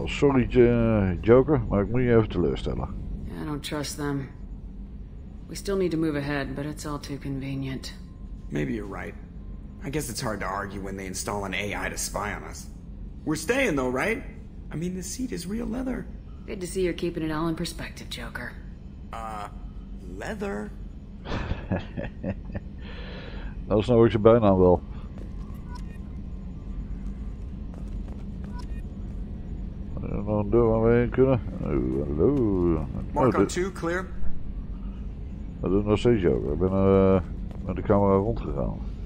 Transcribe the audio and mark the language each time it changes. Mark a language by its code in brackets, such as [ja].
[nl] Sorry, Joker, maar ik moet je even teleurstellen. [en] Yeah, I don't trust them. We still need to move ahead, but it's all too convenient. Maybe you're right. I guess it's hard to argue when they install an AI to spy on us. We're staying though, right? I mean, the seat is real leather. Good to see you're keeping it all in perspective, Joker. Leather? [nl] Dat is nou ook zijn bijnaam wel. Wat is er nog een deur waar we heen kunnen? Oh, hallo. [en] Marco 2, clear. [nl] Dat is nog steeds Joker. Ik ben met de camera rondgegaan.